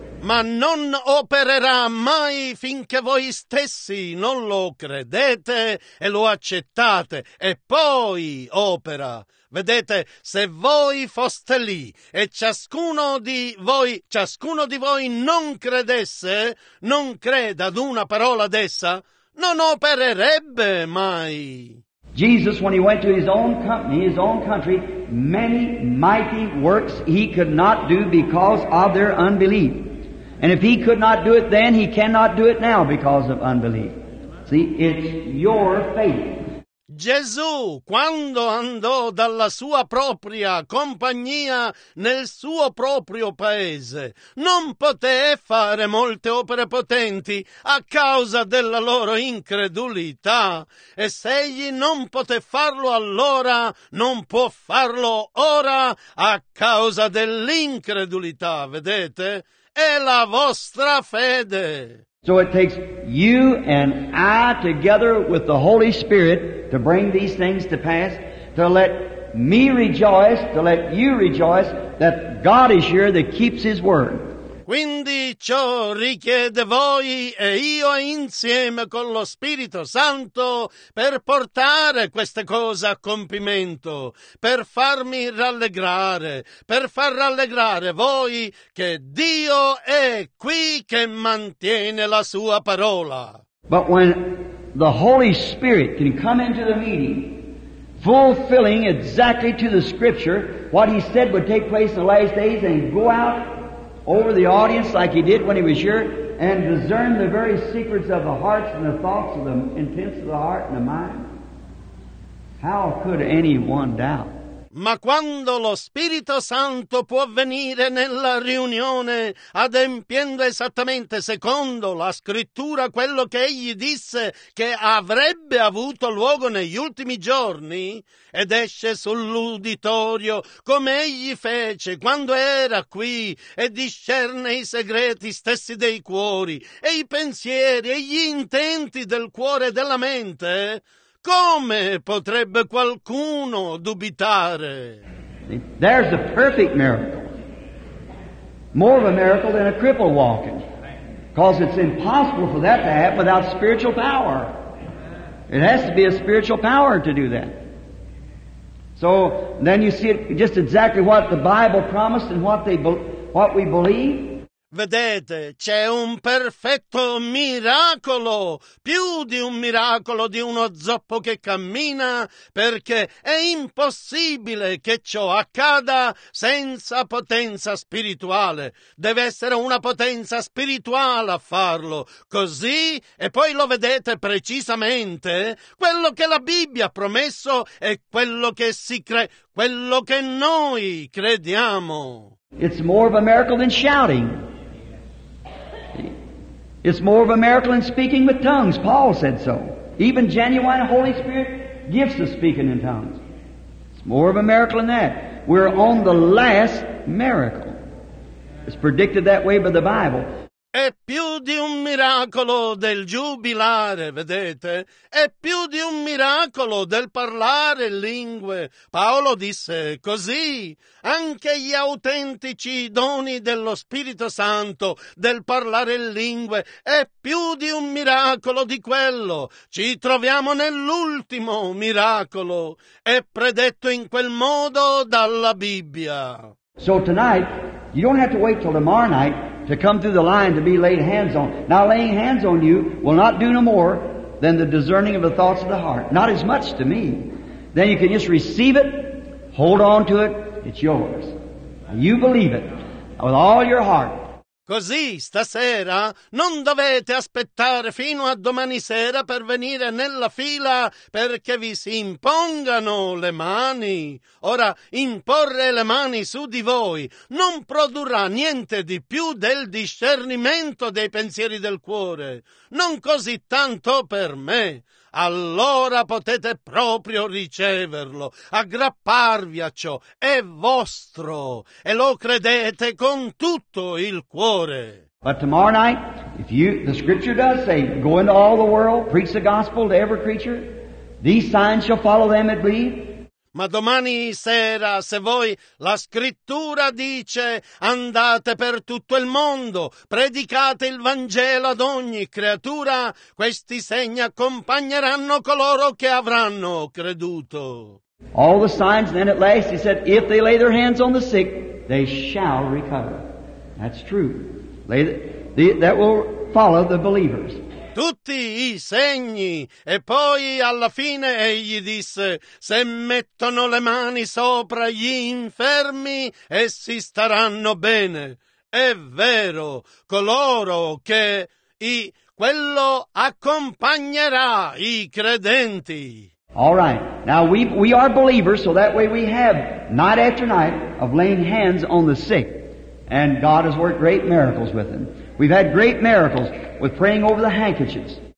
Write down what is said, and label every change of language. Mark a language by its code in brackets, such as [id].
[it] Ma non opererà mai finché voi stessi non lo credete e lo accettate e poi opera. Vedete, se voi foste lì e ciascuno di voi non credesse, non creda ad una parola d'essa, non opererebbe mai. [en] Jesus, when he went to his own company, his own country, many mighty works he could not do because of their unbelief. And if he could not do it then, he cannot do it now because of unbelief. See, it's your faith. [it] Gesù, quando andò dalla sua propria compagnia nel suo proprio paese, non poté fare molte opere potenti a causa della loro incredulità. E se egli non poté farlo allora, non può farlo ora a causa dell'incredulità, vedete? È la vostra fede. [en] So it takes you and I together with the Holy Spirit to bring these things to pass, to let me rejoice, to let you rejoice that God is here that keeps His word. [it] Quindi ciò richiede voi e io insieme con lo Spirito Santo per portare queste cose a compimento, per farmi rallegrare, per far rallegrare voi che Dio è qui che mantiene la sua parola. [en] But when the Holy Spirit can come into the meeting, fulfilling exactly to the Scripture what He said would take place in the last days and go out over the audience like he did when he was here, and discern the very secrets of the hearts and the thoughts of the intents of the heart and the mind. How could anyone doubt? [it] Ma quando lo Spirito Santo può venire nella riunione adempiendo esattamente secondo la scrittura quello che egli disse che avrebbe avuto luogo negli ultimi giorni ed esce sull'uditorio come egli fece quando era qui e discerne i segreti stessi dei cuori e i pensieri e gli intenti del cuore e della mente, come potrebbe qualcuno dubitare? [en] There's a perfect miracle. More of a miracle than a cripple walking. Because it's impossible for that to happen without spiritual power. It has to be a spiritual power to do that. So then you see it just exactly what the Bible promised and what we believe. [it] Vedete, c'è un perfetto miracolo, più di un miracolo di uno zoppo che cammina, perché è impossibile che ciò accada senza potenza spirituale. Deve essere una potenza spirituale a farlo, così, e poi lo vedete precisamente, quello che la Bibbia ha promesso è quello che si crede, quello che noi crediamo. [en] It's more of a miracle than shouting. It's more of a miracle than speaking with tongues. Paul said so. Even genuine Holy Spirit gifts of speaking in tongues. It's more of a miracle than that. We're on the last miracle. It's predicted that way by the Bible. [it] È più di un miracolo del giubilare, vedete? È più di un miracolo del parlare lingue. Paolo disse così. Anche gli autentici doni dello Spirito Santo del parlare lingue è più di un miracolo di quello. Ci troviamo nell'ultimo miracolo. È predetto in quel modo dalla Bibbia. [en] So tonight, you don't have to wait till tomorrow night to come through the line to be laid hands on. Now laying hands on you will not do no more than the discerning of the thoughts of the heart. Not as much to me. Then you can just receive it, hold on to it, it's yours. You believe it with all your heart. [it] Così stasera non dovete aspettare fino a domani sera per venire nella fila perché vi si impongano le mani. Ora, imporre le mani su di voi non produrrà niente di più del discernimento dei pensieri del cuore, non così tanto per me. Allora potete proprio riceverlo, aggrapparvi a ciò, è vostro, e lo credete con tutto il cuore. [en] But tomorrow night, if you, the scripture does say, go into all the world, preach the gospel to every creature, these signs shall follow them that believe. [it] Ma domani sera, se voi, la scrittura dice, andate per tutto il mondo, predicate il Vangelo ad ogni creatura, questi segni accompagneranno coloro che avranno creduto. [en] All the signs, then at last he said, if they lay their hands on the sick, they shall recover. That's true. That will follow the believers. [it] Tutti i segni, e poi alla fine egli disse, se mettono le mani sopra gli infermi, essi staranno bene. È vero, coloro che quello accompagnerà i credenti. [en] All right, now we are believers, so that way we have night after night of laying hands on the sick. And God has worked great miracles with them. We've had great miracles with praying over the handkerchiefs.